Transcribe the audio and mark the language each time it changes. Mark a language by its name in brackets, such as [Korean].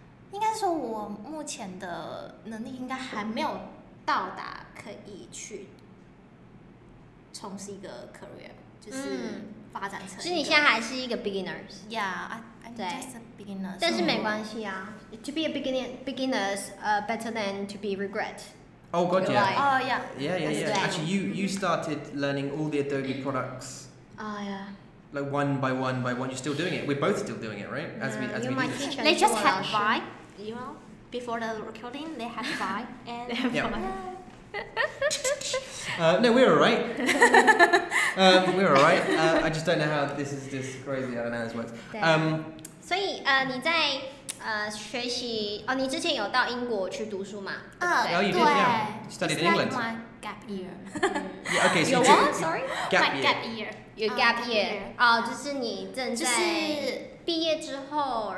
[Chinese] 应该说我目前的能力应该还没有到达可以去从事一个 career， 就是发展成。所以你现在还是一个 beginner。 [English] Yeah, I'm just a beginner. [Chinese] 但是没关系啊。 [English] To be a beginner's better than to be regret. Oh, got you. Yeah. Actually, you started learning all the Adobe products. Oh, yeah. Like one by one by one, you're still doing it. We're both still doing it, right? They just had vibe, you know, before the recording, they had vibe. And No, we're all right. We're all right. I just don't know how this is just crazy. I don't know how this works. [Chinese] 所以你在学习哦，你之前有到英国去读书吗？对。 [English] Studied in England. My gap year. Yeah, okay, so you took my gap year. Your gap year. [Chinese] 哦，就是你正在毕业之后，